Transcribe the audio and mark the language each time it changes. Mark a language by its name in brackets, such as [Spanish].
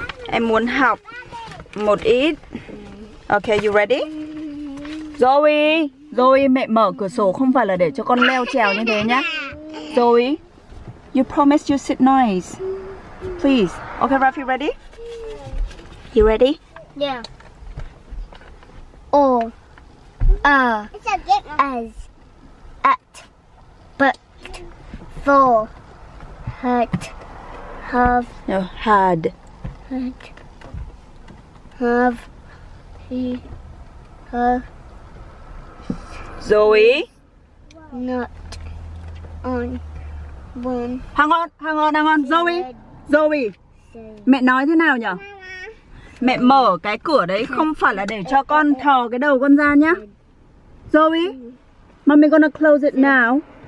[Vietnamese] Em muốn học một ít. [English] Ok, you ready? [Vietnamese] Zoe, Zoe, mẹ mở cửa sổ không phải là để cho con leo trèo như thế nhá. [English] Zoe, you promise you sit nice. Please. Ok, Rafi, ready? You ready? Yeah. Oh. As, at, but, for, had, have, no, had, had, have, he, her, Zoe, not, on, one, hang on, [Vietnamese] Zoe, Zoe, mẹ nói thế nào nhỉ? Mẹ mở cái cửa đấy không phải là để cho con thò cái đầu con ra nhá. [English] Zoe, mommy gonna close it now.